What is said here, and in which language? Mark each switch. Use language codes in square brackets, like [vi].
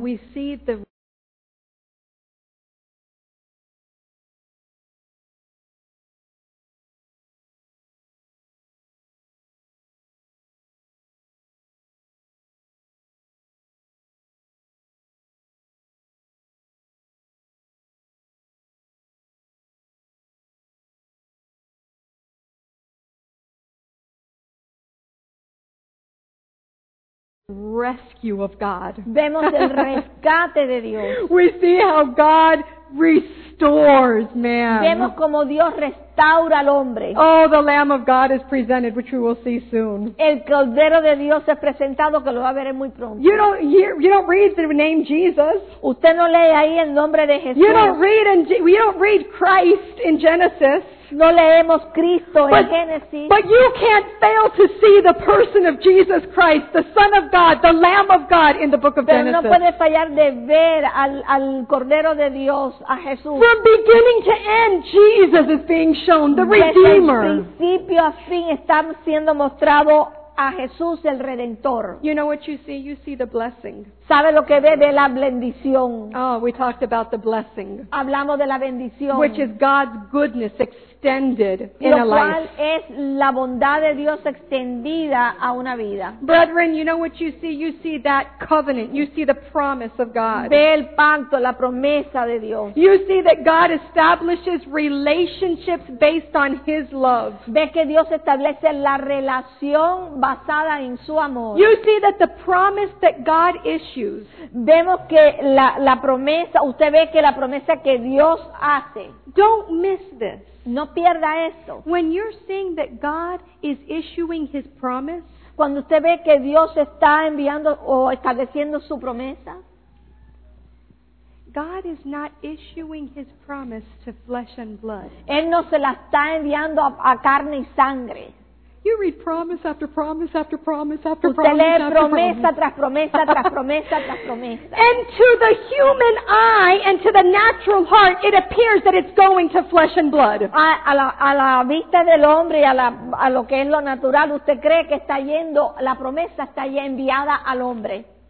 [en] We see the rescue of God. [es] Vemos el rescate de Dios. [en] We see how God restores man. [es] Vemos como Dios restaura al hombre. [en] Oh, the Lamb of God is presented, which we will see soon. [es] El Cordero de Dios es presentado, que lo va a ver muy pronto. [en] You don't read the name Jesus. [es] Usted no lee ahí el nombre de Jesús. [en] You don't read Christ in Genesis. [es] No leemos Cristo en Génesis. [en] But you can't fail to see the person of Jesus Christ, the Son of God, the Lamb of God in the book of Genesis. [es] Pero no puede fallar de ver al Cordero de Dios, a Jesús. [en] From beginning to end, Jesus is being shown, the Redeemer. [es] Desde el principio a fin está siendo mostrado a Jesús el Redentor. [en] You know what you see? You see the blessing. [es] ¿Sabe lo que ve? Ve la bendición. [en] Oh, we talked about the blessing. [es] Hablamos de la bendición. [en] Which is God's goodness extended in a life. [es] Lo cual es la bondad de Dios extendida a una vida. [en] Brethren, you know what you see? You see that covenant. You see the promise of God. [es] Ve el pacto, la promesa de Dios. [en] You see that God establishes relationships based on His love. [es] Ve que Dios establece la relación basada en su amor. [en] You see that the promise that God is issues. [es] Vemos que la promesa, usted ve que la promesa que Dios hace. [en] Don't miss this. [es] No pierda esto. [en] When you're seeing that God is issuing His promise, [es] cuando usted ve que Dios está enviando o estableciendo su promesa, [en] God is not issuing His promise to flesh and blood. [es] Él no se la está enviando a carne y sangre. [en] You read promise after promise after promise after [es] usted [en] promise. [es] Usted lee promesa tras promesa tras promesa tras promesa. [en] And to the human eye and to the natural heart, it appears that it's going to flesh and blood. [es] A la vista del hombre y a lo que es lo natural, usted cree que está yendo, la promesa está ya enviada al hombre.